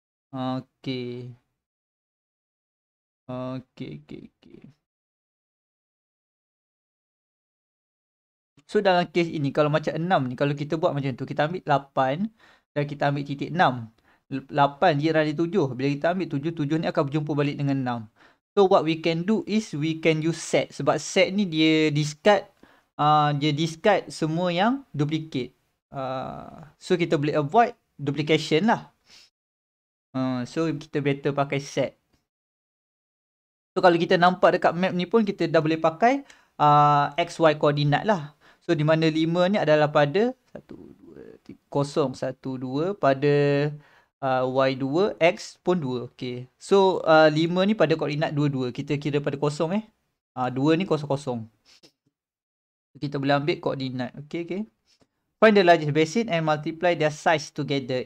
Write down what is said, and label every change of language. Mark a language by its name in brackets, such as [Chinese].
[Malay] Okay. Okay. So dalam kes ini, kalau macam 6 ni, kalau kita buat macam tu, kita ambil 8 dan kita ambil titik 6. 8 jiran dia 7. Bila kita ambil 7, 7 ni akan berjumpa balik dengan 6. [English] So what we can do is we can use set. [Malay] Sebab set ni dia discard dia discard semua yang duplicate. So kita boleh [English] avoid duplication [Malay] lah. So kita better pakai set. So kalau kita nampak dekat map ni pun kita dah boleh pakai XY koordinat lah. So di mana 5 ni adalah pada 1, 2, 3, 0, 1, 2 pada Y2, X pun 2. Okay. So 5 ni pada koordinat 2, 2. Kita kira pada 0 eh. 2 ni 0, 0. Kita boleh ambil koordinat. Okay, okay. [English] Find the largest basin and multiply their size together.